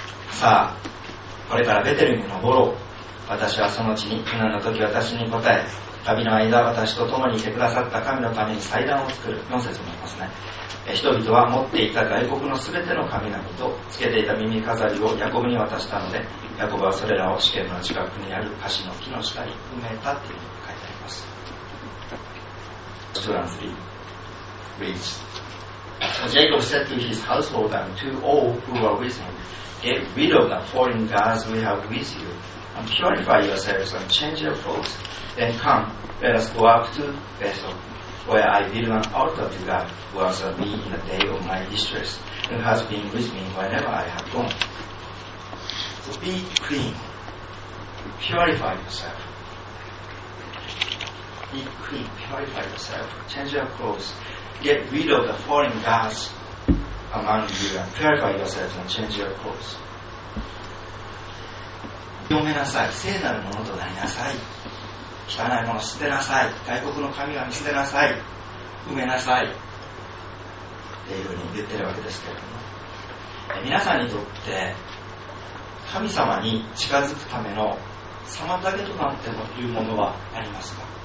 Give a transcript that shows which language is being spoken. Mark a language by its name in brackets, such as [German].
[Japanese] さあ、これからベテルに登ろう。私はその地に苦難の時私に答え、旅の間私と共にいてくださった神のために祭壇を作る。4節もありますね。人々は持っていた外国のすべての神々とつけていた耳飾りをヤコブに渡したので、ヤコブはそれらを試験の近くにあるカシの木の下に埋めたというふうに書いてあります。 2段3 Reach. [English] So Jacob said to his household and to all who were with him, get rid of the foreign gods we have with youAnd purify yourselves and change your clothes. Then come, let us go up to Bethel, where I build an altar to God, who answered me in the day of my distress, and has been with me whenever I have gone. So be clean. Purify yourself. Be clean. Purify yourself. Change your clothes. Get rid of the foreign gods among you and purify yourselves and change your clothes. [Japanese] 清めなさい、聖なるものとなりなさい、汚いものを捨てなさい、外国の神々捨てなさい、埋めなさいっていうふうに言ってるわけですけれども、皆さんにとって神様に近づくための妨げとなっているものはありますか？